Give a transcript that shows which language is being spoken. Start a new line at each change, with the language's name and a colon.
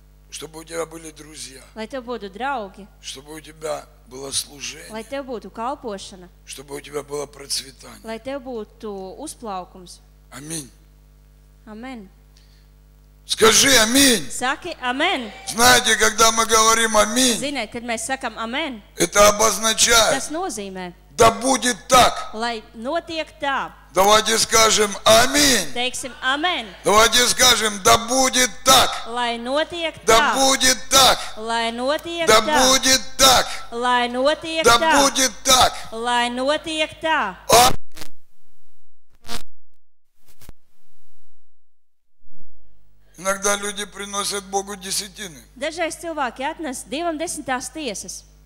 Russian: Чтобы у тебя были друзья.
Latvian: Lai tev būtu draugi.
Russian: Чтобы у тебя было служение.
Latvian: Lai tev būtu kalpošana.
Russian: Чтобы у тебя было процветание.
Latvian: Lai tev būtu uzplaukums.
Russian: Аминь.
Latvian: Амен.
Russian: Скажи аминь.
Latvian: Saki амен.
Russian: Знаете, когда мы говорим аминь.
Latvian: Ziniet, kad mēs sakam амен.
Russian: Это обозначает.
Latvian: Tas nozīmē.
Russian: Да будет так.
Latvian: Lai notiek tā.
Russian: Давайте скажем аминь.
Latvian: Teiksim амен.
Russian: Давайте скажем да будет так.
Latvian: Lai notiek tā.
Russian: Да будет так.
Latvian: Lai notiek
Russian: да
Latvian: tā.
Russian: Да будет так.
Latvian: Lai notiek
Russian: да Да будет так.
Latvian: Lai notiek tā.
Russian: Иногда люди приносят Богу десятины.
Latvian: Dažreiz cilvēki atnes Dievam desmitās tiesas.